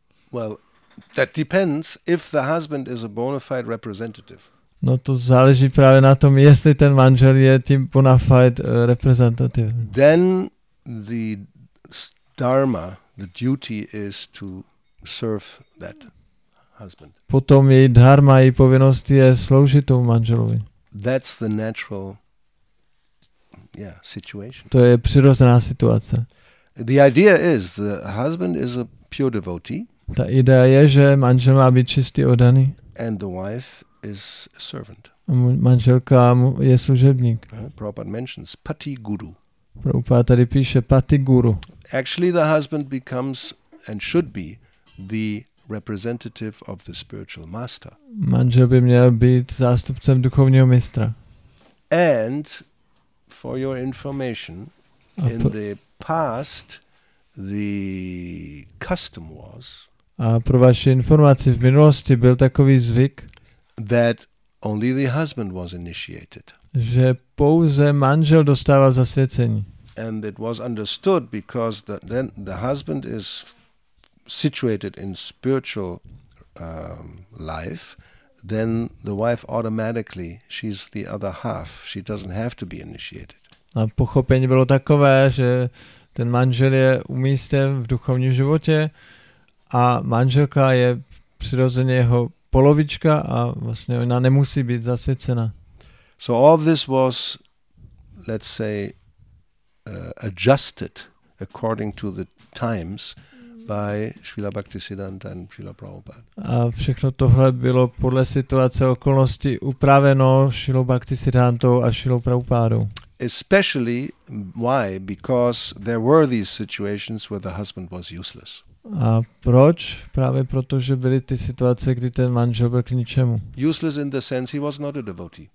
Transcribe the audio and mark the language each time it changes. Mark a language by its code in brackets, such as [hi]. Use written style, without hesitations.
[en] Well, that depends if the husband is a bona fide representative. [cs] No to záleží právě na tom, jestli ten manžel je tím bona fide reprezentativ. [en] Then the dharma, the duty is to serve that husband. [cs] Potom její dharma, její povinnost je sloužit tomu manželovi. [en] That's the natural situation. [cs] To je přirozená situace. [en] The idea is the husband is a pure devotee. [cs] Ta idea je, že manžel má být čistý oddaný. [en] And the wife is a servant. [cs] Manželka je služebník. [en] Prabhupada mentions pati guru. [cs] Prabhupada tady píše pati guru. [en] Actually the husband becomes and should be the representative of the spiritual master. [cs] Manžel by měl být zástupcem duchovního mistra. [en] And for your information, in the past the custom was, [cs] a pro vaši informaci, v minulosti byl takový zvyk, [en] that only the husband was initiated. [cs] Že pouze manžel dostával zasvěcení. [en] And it was understood because that then the husband is situated in spiritual life, then the wife automatically, she's the other half. She doesn't have to be initiated. [cs] A pochopení bylo takové, že ten manžel je umístěn v duchovním životě a manželka je přirozeně jeho polovička a vlastně ona nemusí být zasvěcena. [en] So all this was, let's say, adjusted according to the times by Srila Bhaktisiddhanta and Srila Prabhupada. [cs] A všechno tohle bylo podle situace okolností upraveno Srilou Bhaktisiddhantou a Srilou Prabhupádou. [en] Especially why? Because there were these situations where the husband was useless. [cs] A proč? Právě proto, že byly ty situace, kdy ten manžel byl k ničemu. [en] Useless in the sense he was not a devotee.